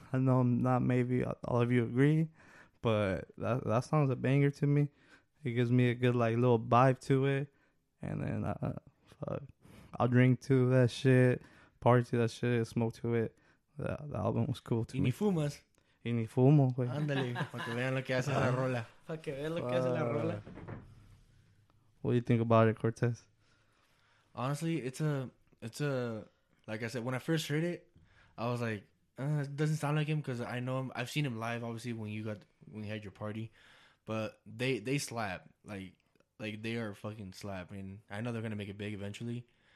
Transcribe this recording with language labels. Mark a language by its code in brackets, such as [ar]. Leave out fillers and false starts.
[en] I know not maybe all of you agree, but that song's a banger to me. It gives me a good like little vibe to it, and then I'll drink to that shit, party to that shit, smoke to it. The album was cool to me. [es] Y ni fumas. Y ni fumo, güey. Ándale, para que vean lo que hace la rola. Para que vean lo que hace la rola. [en] What do you think about it, Cortez? Honestly, it's a like I said, when I first heard it, I was like, it doesn't sound like him, because I know him. I've seen him live, obviously, when you had your party. But they slap. Like they are fucking slap. I mean, I know they're going to make it big eventually.